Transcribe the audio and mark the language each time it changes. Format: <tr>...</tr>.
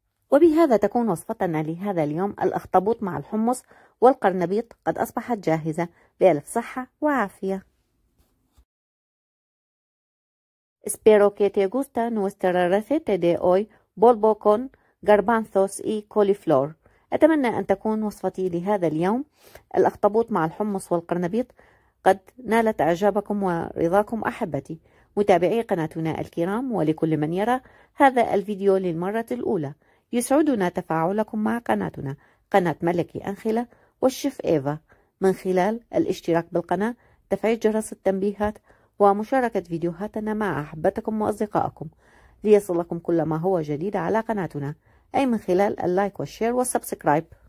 <ar>وبهذا تكون وصفتنا لهذا اليوم، الأخطبوط مع الحمص والقرنبيط، قد أصبحت جاهزة. بألف صحة وعافية.</ar> <es>Espero que te guste nuestra receta de hoy, bulbo con garbanzos y coliflor.</es> <ar>أتمنى أن تكون وصفتي لهذا اليوم، الأخطبوط مع الحمص والقرنبيط، قد نالت إعجابكم ورضاكم أحبتي متابعي قناتنا الكرام. ولكل من يرى هذا الفيديو للمرة الأولى، يسعدنا تفاعلكم مع قناتنا، قناة ملكي أنخلة والشيف إيفا، من خلال الاشتراك بالقناة، تفعيل جرس التنبيهات، ومشاركة فيديوهاتنا مع أحبتكم وأصدقائكم، ليصلكم كل ما هو جديد على قناتنا، أي من خلال اللايك والشير والسبسكرايب.</ar>